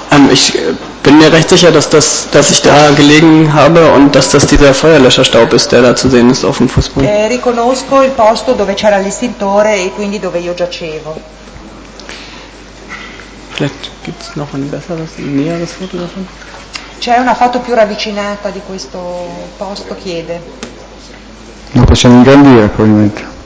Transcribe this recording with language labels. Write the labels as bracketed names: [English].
[German] Ich bin mir recht sicher, dass ich da gelegen habe und dass das dieser Feuerlöscherstaub ist, der da zu sehen ist auf dem Fußboden. [Italian] Riconosco il posto dove c'era l'estintore e quindi dove io giacevo. [German] Vielleicht gibt es noch ein besseres, näheres Foto davon? [Italian] C'è una foto più ravvicinata di questo posto, chiede. Lo possiamo ingrandire probabilmente.